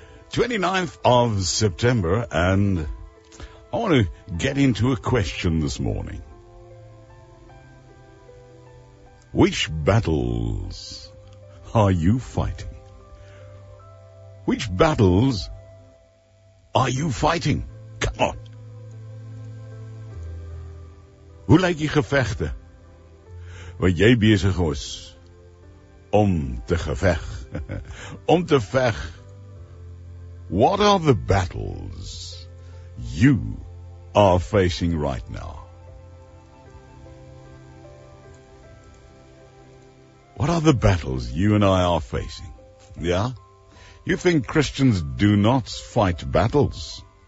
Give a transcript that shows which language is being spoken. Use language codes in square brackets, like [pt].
[en] 29th of September, and I want to get into a question this morning. Which battles are you fighting? Which battles are you fighting? Come on. [af] Hoe lyk die gevegte waar jy besig is om te geveg? Om te veg. [en] What are the battles you are facing right now? What are the battles you and I are facing? Yeah? You think Christians do not fight battles?